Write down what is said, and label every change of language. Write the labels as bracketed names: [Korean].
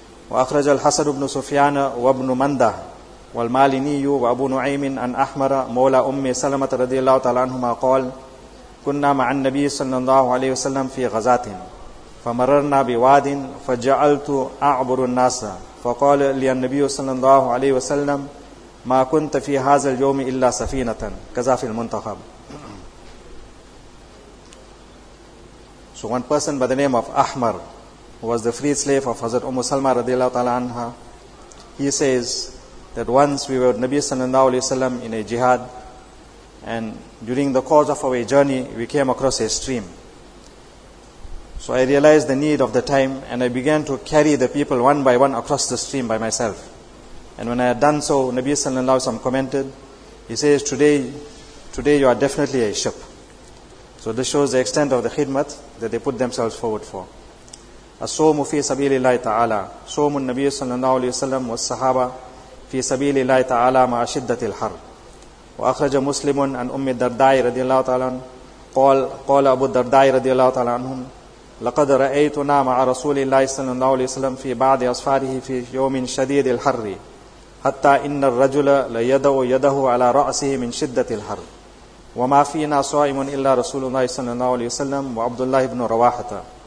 [Arabic] وأخرج الحسن بن سفيان وابن منده والمالني وأبو نعيم عن أحمر مولى أم سلمة رضي الله تعالى عنهما قال كنا مع النبي صلى الله عليه وسلم في غزاة فمررنا بواد فجعلت أعبر الناس فقال لي النبي صلى الله عليه وسلم ما كنت في هذا اليوم إلا سفينة كذا في المنتخب. [English] So one person by the name of Ahmar, who was the freed slave of Hazrat Umm Salma radiallahu ta'ala anha, he says that once we were with Nabi sallallahu alayhi wa sallam in a jihad, and during the course of our journey we came across a stream. So I realized the need of the time and I began to carry the people one by one across the stream by myself. And when I had done so, Nabi sallallahu alayhi wa sallam commented, he says, today you are definitely a ship. So this shows the extent of the khidmat that they put themselves forward for. [Arabic] الصوم في سبيل الله تعالى صوم النبي صلى الله عليه وسلم والصحابة في سبيل الله تعالى مع شدة الحر وأخرج مسلم عن أم الدرداء رضي الله تعالى قال أبو الدرداء رضي الله تعالى عنهم لقد رأيتنا مع رسول الله صلى الله عليه وسلم في بعض أصفاره في يوم شديد الحر حتى إن الرجل ليدع يده على رأسه من شدة الحر وما فينا صائم إلا رسول الله صلى الله عليه وسلم وعبد الله بن رواحة